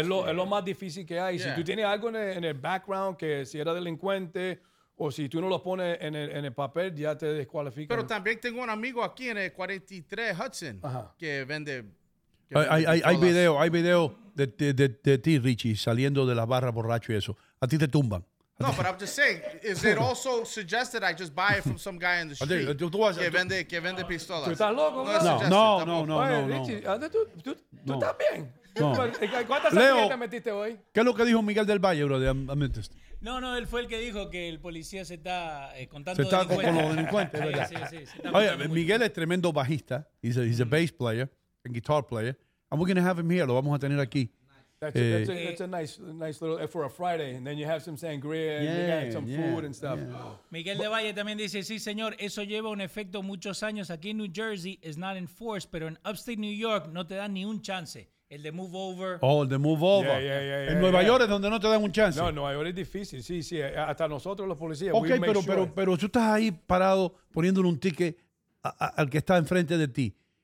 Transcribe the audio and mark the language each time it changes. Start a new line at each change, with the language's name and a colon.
Spanish: Es lo más difícil que hay. Yeah. Si tú tienes algo en el background, que si era delincuente o si tú no lo pones en el papel, ya te descualifican. Pero también tengo un amigo aquí en el 43 Hudson que vende. Hay video de ti, Richie, saliendo de la barra borracho y eso. A ti te tumban.
English: No, but I'm just saying, is it also suggested I just buy it from some guy in the street
Spanish: que vende pistolas? ¿Tú estás loco? No. ¿Tú estás bien? No. ¿Cuántas Leo, te metiste hoy? ¿Qué es lo que dijo Miguel del Valle, bro? No, él fue el que dijo que el policía se está contando. Se está con los delincuentes, ¿verdad? Sí. Oye, Miguel es tremendo bajista.
English: He's a bass player and guitar player. And we're going to have him here.
Spanish: Lo vamos a tener aquí.
English: That's a nice little for a Friday, and then you have some sangria and you got some food and stuff. Yeah.
Spanish: Miguel de Valle también dice, sí, señor, eso lleva un efecto muchos años aquí en New Jersey.
English: It's not enforced,
Spanish: pero en upstate New York no te dan ni un chance. El de move over. Oh, el de move over.
English: Yeah.
Spanish: En Nueva York es donde no te dan un chance. No, Nueva York es difícil. Sí. Hasta nosotros los policías. Okay, pero tú estás ahí parado poniéndole un ticket al que está enfrente de ti.